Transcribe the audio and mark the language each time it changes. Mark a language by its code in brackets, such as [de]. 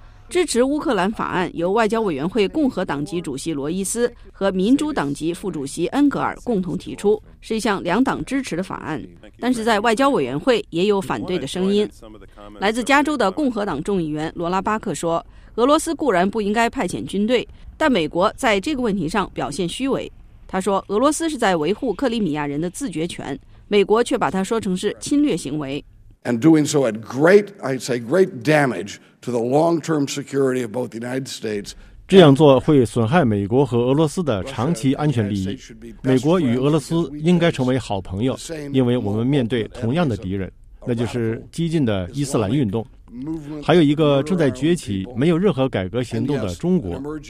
[zh] 支持乌克兰法案由外交委员会共和党籍主席罗伊斯和民主党籍副主席恩格尔共同提出，是一项两党支持的法案，但是在外交委员会也有反对的声音。来自加州的共和党众议员罗拉巴克说，俄罗斯固然不应该派遣军队，但美国在这个问题上表现虚伪。他说，俄罗斯是在维护克里米亚人的自决权，美国却把它说成是侵略行为。 [en] And doing so at great, I'd say great damage to the long-term security of both the United States. [zh] 这样做会损害美国和俄罗斯的长期安全利益。美国与俄罗斯应该成为好朋友，因为我们面对同样的敌人，那就是激进的伊斯兰运动，还有一个正在崛起、没有任何改革行动的中国。